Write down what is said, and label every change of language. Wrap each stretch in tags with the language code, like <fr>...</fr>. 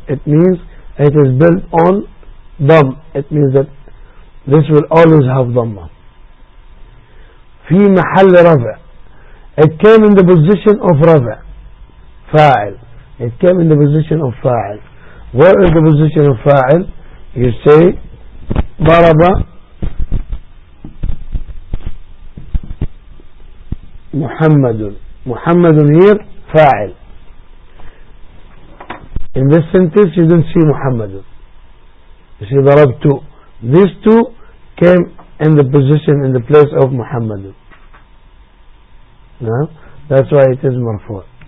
<en>It means it is built on ضم. It means that this will always have ضم.</en> <ar>في محل رفع.</ar> <en>It came in the position of رفع.</en> <ar>فاعل.</ar> <en>It came in the position of فاعل. Where is the position of فاعل? You say</en> <ar>ضرب محمد. محمد</ar> <en>here</en> <ar>فاعل.</ar> <en>In this sentence you don't see محمد. You see ضربت. These two came in the position, in the place of محمد. No? That's why it is مرفوع.</en>